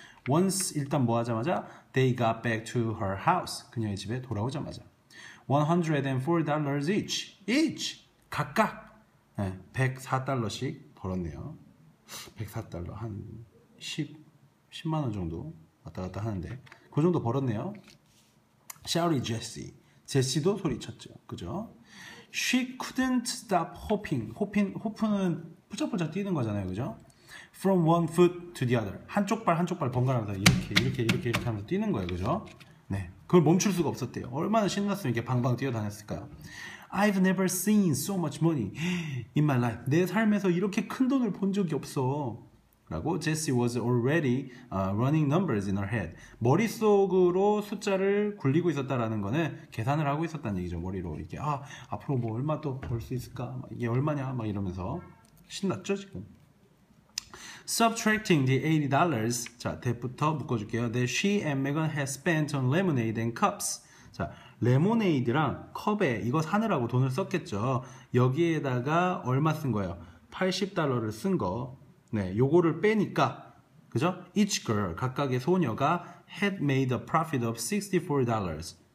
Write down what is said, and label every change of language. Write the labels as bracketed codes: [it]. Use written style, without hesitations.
[en] Once 일단 뭐 하자마자 they got back to her house 그녀의 집에 돌아오자마자 $104 each 각각 네, 104달러씩 벌었네요. [ko] 104달러 한 10만 원 정도 왔다 갔다 하는데 그 정도 벌었네요. Shouted Jessie. 제시도 소리쳤죠. 그죠? [en] She couldn't stop hopping. [ko] Hopping은 푸쩍푸쩍 뛰는 거잖아요. 그죠? [en] From one foot to the other. [ko] 한쪽 발, 한쪽 발 번갈아서 이렇게 하면서 뛰는 거예요. 그죠? 네. 그걸 멈출 수가 없었대요. 얼마나 신났으면 이렇게 방방 뛰어다녔을까요? [en] I've never seen so much money in my life. [ko] 내 삶에서 이렇게 큰 돈을 본 적이 없어. [en] 라고, Jessie was already running numbers in her head. [ko] 머릿속으로 숫자를 굴리고 있었다라는 거는 계산을 하고 있었다는 얘기죠. 머리로. 이렇게, 아, 앞으로 뭐 얼마 또벌수 있을까? 이게 얼마냐? 막 이러면서. 신났죠, 지금? Subtracting the $80. 자, 대부터 묶어줄게요. [en] That she and Megan had spent on lemonade and cups. [ko] 자, 레모네이드랑 컵에 이거 사느라고 돈을 썼겠죠. 여기에다가 얼마 쓴 거예요? 80달러를 쓴 거. 네, 요거를 빼니까. 그죠? [en] Each girl, 각각의 소녀가 had made a profit of $64.